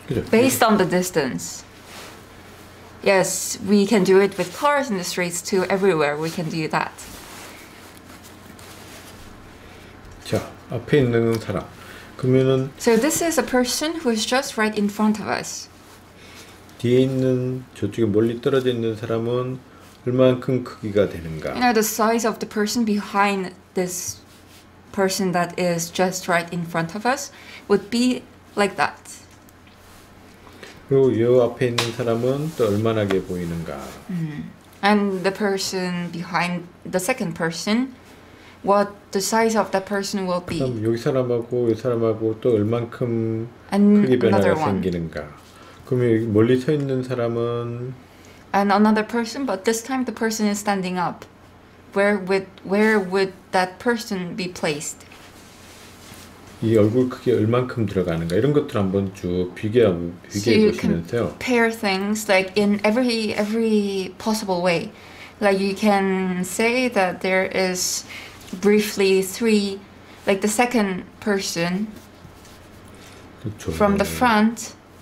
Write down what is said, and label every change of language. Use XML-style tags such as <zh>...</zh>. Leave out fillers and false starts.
<en>Based on the distance. Yes, we can do it with cars in the streets too, everywhere we can do that.</en> <ko>자, 앞에 있는 사람. 그러면은</ko> <en>So this is a person who is just right in front of us.</en> <ko>뒤에 있는 저쪽에 멀리 떨어져 있는 사람은 얼만큼 크기가 되는가?</ko> <en>You know, the size of the person behind this person that is just right in front of us would be like that.</en> <ko>그리고 요 앞에 있는 사람은 또 얼마나게 보이는가?</ko> <en>And the person behind the second person, what the size of that person will be?</en> <ko>그럼 여기 사람하고 이 사람하고 또 얼만큼 크기 변화가 생기는가? 그러면 멀리 서 있는 사람은</ko> <en>And another person, but this time the person is standing up. Where would that person be placed?</en> <ko>이 얼굴 크기 얼만큼 들어가는가 이런 것들 한번 쭉 비교해 보시면서요.</ko> <en>So you compare things like in every possible way. like you can say that there is briefly three, like the second person</en> <ko>그쵸.</ko> <en>from the front,</en>